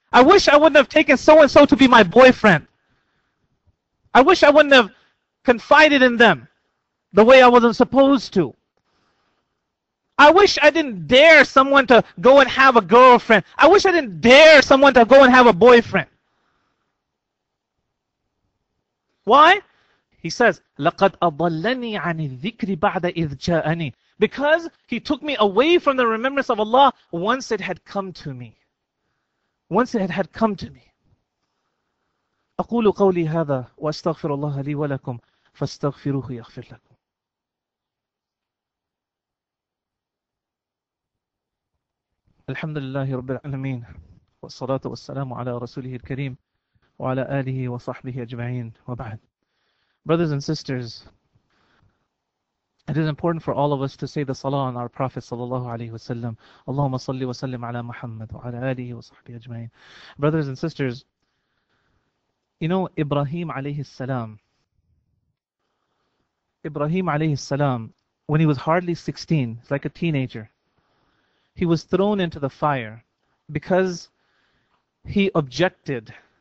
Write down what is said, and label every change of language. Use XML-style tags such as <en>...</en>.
<en>I wish I wouldn't have taken so-and-so to be my boyfriend. I wish I wouldn't have confided in them. the way I wasn't supposed to. I wish I didn't dare someone to go and have a girlfriend. I wish I didn't dare someone to go and have a boyfriend. Why? He says,</en> <ar>لَقَدْ أَضَلَّنِي عَنِ الذِّكْرِ بَعْدَ إِذْ جَاءَنِي.</ar> <en>Because he took me away from the remembrance of Allah once it had come to me. Once it had come to me.</en> <ar>أقول قولي هذا وأستغفر الله لي ولكم فاستغفروه يغفر لكم. الحمد لله رب العالمين والصلاة والسلام على رسوله الكريم وعلى آله وصحبه أجمعين وبعد.</ar> <en>Brothers and sisters, it is important for all of us to say the salah on our Prophet</en> <ar>صلى الله عليه وسلم. اللهم صل وسلم على محمد وعلى آله وصحبه أجمعين.</ar> <en>Brothers and sisters, you know Ibrahim عليه السلام. Ibrahim عليه السلام, when he was hardly 16, like a teenager, he was thrown into the fire because he objected.</en>